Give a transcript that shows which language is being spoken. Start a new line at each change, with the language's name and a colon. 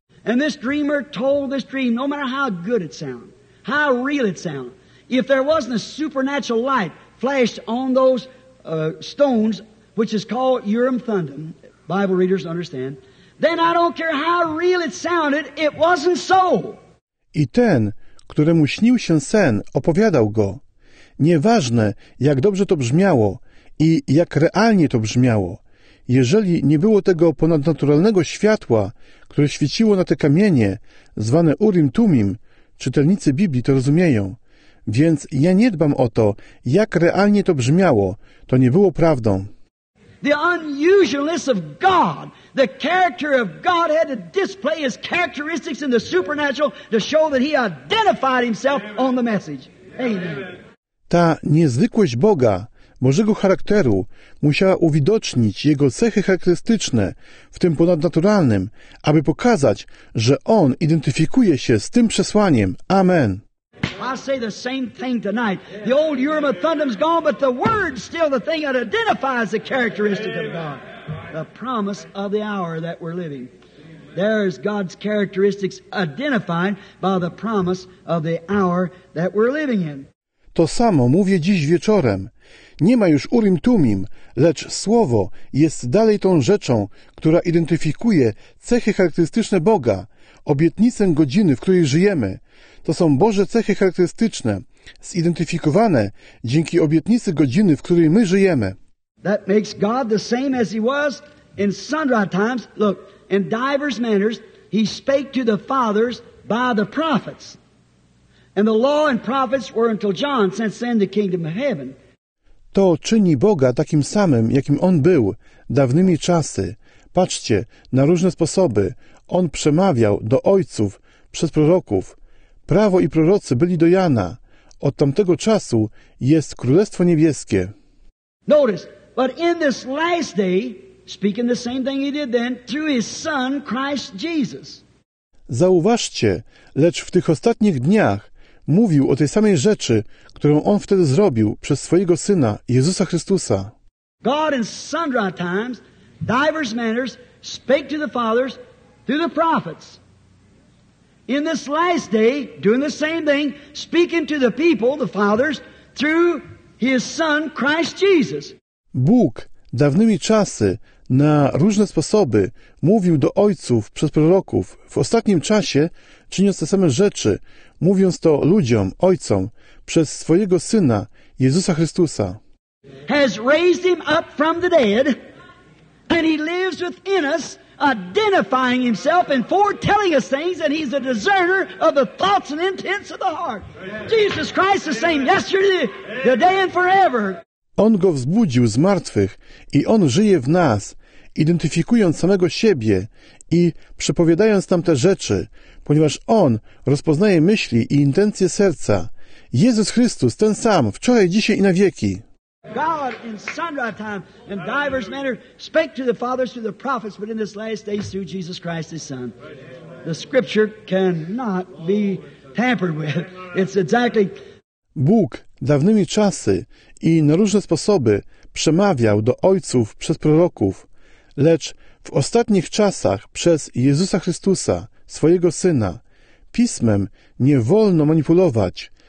English: And this dreamer told this dream, no matter how good it sounded, how real it sounded, if there wasn't a supernatural light flashed on those stones, which is called Urim Thummim, Bible readers understand, then I don't care how real it sounded, it wasn't so.
Polish: I ten, któremu śnił się sen, opowiadał go. Nieważne, jak dobrze to brzmiało, i jak realnie to brzmiało. Jeżeli nie było tego ponadnaturalnego światła, które świeciło na te kamienie, zwane Urim Tumim, czytelnicy Biblii to rozumieją. Więc ja nie dbam o to, jak realnie to brzmiało. To nie było prawdą.
English: The unusualness of God, the character of God had to display his characteristics in the supernatural to show that he identified himself on the message. Amen.
Polish: Ta niezwykłość Boga, Bożego charakteru, musiała uwidocznić jego cechy charakterystyczne w tym ponadnaturalnym, aby pokazać, że on identyfikuje się z tym przesłaniem. Amen.
English: I say the same thing tonight. The old Urim and Thummim's gone, but the word's still the thing that identifies the characteristic of God. The promise of the hour that we're living. There is God's characteristics identified by the promise of the hour that we're living in.
Polish: To samo mówię dziś wieczorem. Nie ma już Urim Tumim, lecz Słowo jest dalej tą rzeczą, która identyfikuje cechy charakterystyczne Boga, obietnicę godziny, w której żyjemy. To są Boże cechy charakterystyczne, zidentyfikowane dzięki obietnicy godziny, w której my żyjemy.
English: That makes God the same as he was in sundry times. Look, in divers manners, he spake to the fathers by the prophets. And the law and prophets were until John, since then the kingdom of heaven.
Polish: To czyni Boga takim samym, jakim on był dawnymi czasy. Patrzcie, na różne sposoby on przemawiał do ojców przez proroków. Prawo i prorocy byli do Jana. Od tamtego czasu jest Królestwo Niebieskie.
English: Notice, but in this last day, speaking the same thing he did then, through his son, Christ Jesus.
Polish: Zauważcie, lecz w tych ostatnich dniach mówił o tej samej rzeczy, którą on wtedy zrobił przez swojego syna, Jezusa Chrystusa.
English: God in sundry times, divers manners, spake to the fathers through the prophets. In this last day, doing the same thing, speaking to the people, the fathers, through his son, Christ Jesus.
Polish: Bóg dawnymi czasy, na różne sposoby, mówił do ojców przez proroków. W ostatnim czasie, czyniąc te same rzeczy, mówiąc to ludziom, ojcom, przez swojego syna, Jezusa Chrystusa.
English: Has raised him up from the dead, and he lives within us, identifying himself and foretelling us things, and he's a discerner of the thoughts and intents of the heart. Jesus Christ the same yesterday, today and forever.
Polish: On go wzbudził z martwych i on żyje w nas, identyfikując samego siebie i przepowiadając tamte rzeczy, ponieważ on rozpoznaje myśli i intencje serca. Jezus Chrystus ten sam wczoraj, dzisiaj i na wieki.
English: God in sundry time in divers manner spake to the fathers through the prophets, but in this last day through Jesus Christ his son. The scripture cannot be tampered with. It's exactly.
Polish: Bóg dawnymi czasy i na różne sposoby przemawiał do ojców przez proroków, lecz w ostatnich czasach przez Jezusa Chrystusa, swojego syna. Pismem nie wolno manipulować.